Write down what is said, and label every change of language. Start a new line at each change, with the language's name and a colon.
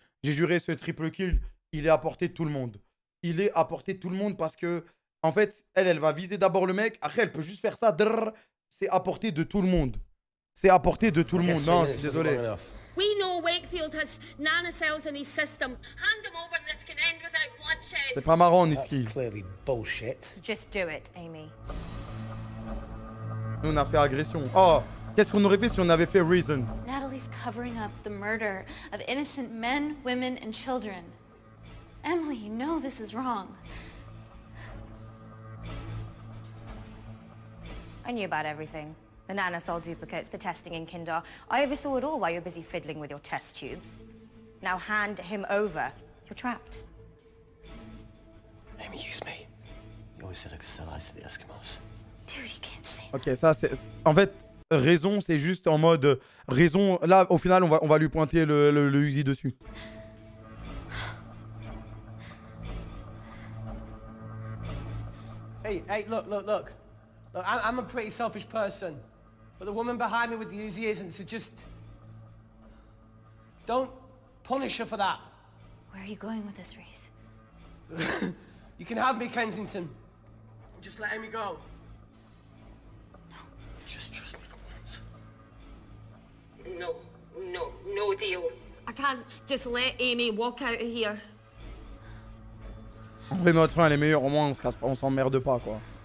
French: J'ai juré ce triple kill, il est à portée de tout le monde parce que en fait, elle va viser d'abord le mec, après elle peut juste faire ça. C'est à portée de tout le monde. Non, je suis désolé.
English: We know Wakefield has nanocells in his system. Hand them over and this can end without bloodshed.
French: C'est pas marrant, Niski.
English: That's clearly bullshit. Just do it, Amy.
French: Nous, on a fait agression. Oh, qu'est-ce qu'on aurait fait si on avait fait reason?
English: Natalie's covering up the murder of innocent men, women and children. Emily, you know this is wrong. I knew about everything. The nanosol duplicates, the testing in Kinder. I oversaw it all while you're busy fiddling with your test tubes. Now hand him over. You're trapped. Amy, use me. You always said I could sell ice to the Eskimos. Dude, you can't say that. Okay,
French: ça c'est... En fait, raison, c'est juste en mode... Raison, là, au final, on va lui pointer le Uzi dessus.
English: Hey, look. I'm a pretty selfish person, but the woman behind me with the Uzi isn't, so just don't punish her for that. Where are you going with this, Reese? You can have me, Kensington. Just let Amy go. No. Just trust me for once. No deal. I can't just let Amy walk out of here.
French: En vrai, notre fin, elle est meilleure, au moins on se casse pas, on s'emmerde pas, quoi.